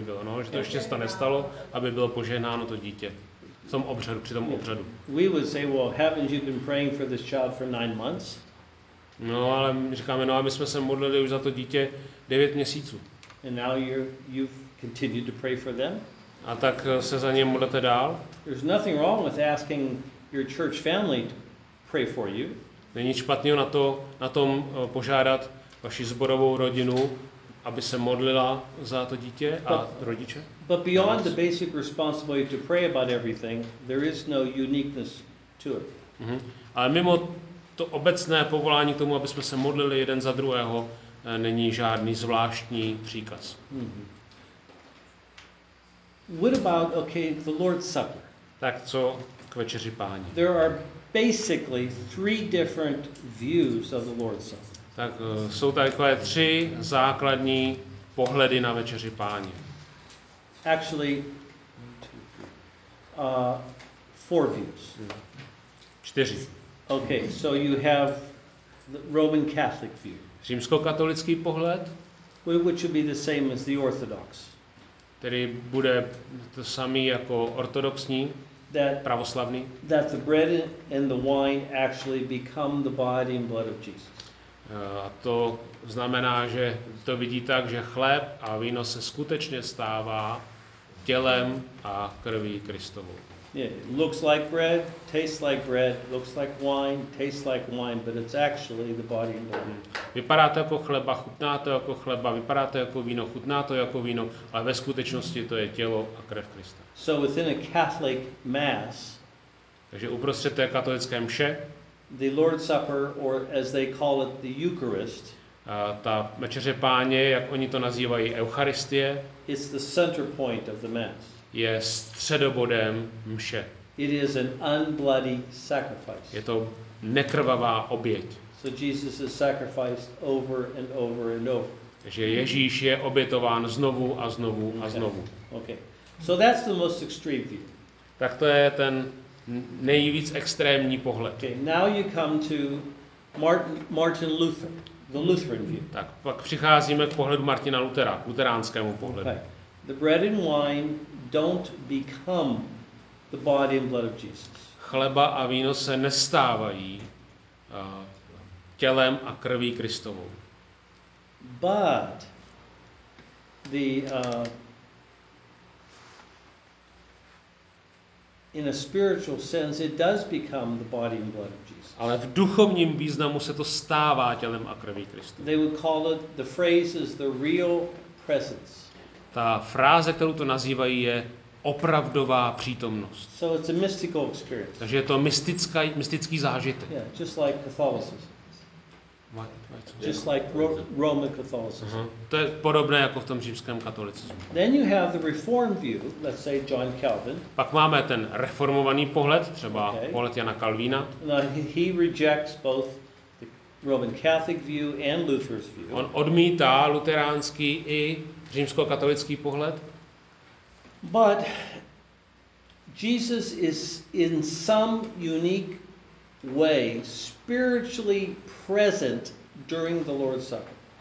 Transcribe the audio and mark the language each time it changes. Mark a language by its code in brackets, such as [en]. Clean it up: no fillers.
[cs] bylo, no, že to ještě se nestalo, aby bylo požehnáno to dítě v tom obřadu, při tom obřadu. [en] We would say, well, haven't you been praying for this child for 9 months? [cs] No, ale my říkáme, no, aby jsme se modlili už za to dítě 9 měsíců. [en] And now you've continued to pray for them? [cs] A tak se za ně modlete dál? [en] There's nothing wrong with asking your church family to pray for you. [cs] Není špatného na tom požádat vaši zborovou rodinu, aby se modlila za to dítě a rodiče. [en] But beyond the basic responsibility to pray about everything, there is no uniqueness to it. Mm-hmm. [cs] Ale mimo to obecné povolání k tomu, aby jsme se modlili jeden za druhého, není žádný zvláštní příkaz. [en] Mm-hmm. What about the Lord's Supper? [cs] Tak co k večeři páně? [en] There are basically 3 different views of the Lord's Supper. [cs] Tak jsou takové 3 základní pohledy na večeři páně. [en] Actually, 4 views. 4. Okay, so you have the Roman Catholic view. [cs] Římskokatolický pohled. [en] Which would be the same as the Orthodox. [cs] Tedy bude to samý jako ortodoxní. [en] That [cs] pravoslavný. [en] That the bread and the wine actually become the body and blood of Jesus. [cs] A to znamená, že to vidí tak, že chléb a víno se skutečně stává tělem a krví Kristovou. [en] Yeah, it looks like bread, tastes like bread, looks like wine, tastes like wine, but it's actually the body and blood. [cs] Vypadá to jako chleba, chutná to jako chleba, vypadá to jako víno, chutná to jako víno, ale ve skutečnosti to je tělo a krev Krista. [en] So within a Catholic mass, [cs] takže uprostřed té katolické mše, [en] the Lord's Supper, or as they call it, the Eucharist. [cs] Ta večeře páně, jak oni to nazývají, Eucharistie. [en] It's the center point of the mass. [cs] Je středobodem mše. [en] It is an unbloody sacrifice. [cs] Je to nekrvavá oběť. [en] So Jesus is sacrificed over and over and over. [cs] Že Ježíš je obětován znovu a znovu a znovu. [en] Okay. So that's the most extreme view. [cs] Tak to je ten nejvíc extrémní pohled. [en] Okay, now you come to Martin Luther. the Lutheran view. [cs] Tak pak přicházíme k pohledu Martina Lutera, k luteránskému pohledu. [en] Okay. The bread and wine don't become the body and blood of Jesus. [cs] Chleba a víno se nestávají tělem a krví Kristovou. [en] But the in a spiritual sense it does become the body and blood of Jesus. [cs] Ale v duchovním významu se to stává tělem a krví Kristovou. [en] They would call it, the phrase is the real presence. [cs] Ta fráze, kterou to nazývají, je opravdová přítomnost. [en] So it's a mystical experience. [cs] Takže je to mystický zážitek. [en] Yeah, just like Catholicism. Just like Roman Catholicism. Uh-huh. [cs] To je podobné jako v tom římském katolicismu. [en] Then you have the reformed view, let's say John Calvin. [cs] Pak máme ten reformovaný pohled, třeba pohled Jana Kalvína. [en] He rejects both the Roman Catholic view and Luther's view. [cs] On odmítá luteránský i římskokatolický pohled. [en] But Jesus is in some unique way spiritually present during the Lord's Supper.